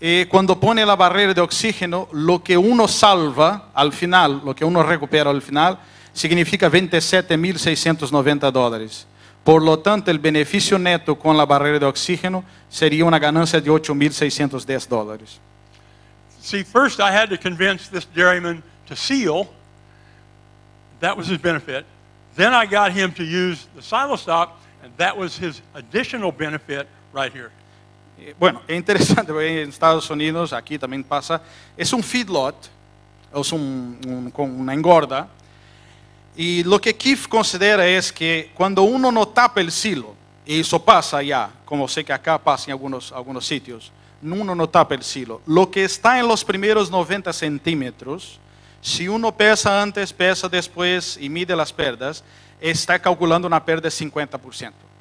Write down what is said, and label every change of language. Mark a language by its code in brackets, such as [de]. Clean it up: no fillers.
[es] Cuando pone la barrera de oxígeno, lo que uno salva al final, lo que uno recupera al final, significa $27,690. Por lo tanto, el beneficio neto con la barrera de oxígeno sería una ganancia de $8,610. [en] See, first I had to convince this dairyman to seal. That was his benefit. Then I got him to use the silostop, and that was his additional benefit right here. [es] Bueno, es interesante, porque en Estados Unidos, aquí también pasa, es un feedlot, es una engorda, y lo que Keith considera es que cuando uno no tapa el silo, y eso pasa ya, como sé que acá pasa en algunos sitios, uno no tapa el silo, lo que está en los primeros 90 centímetros, si uno pesa antes, pesa después y mide las pérdidas, está calculando una pérdida de 50%.